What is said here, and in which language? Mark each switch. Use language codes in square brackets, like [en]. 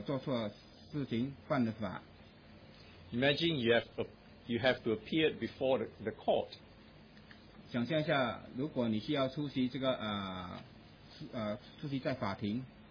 [zh] 尤其是被审判时候，我们所做错的事情犯的法。 [en] Imagine you have to appear before the court. [zh] 想象一下，如果你需要出席在法庭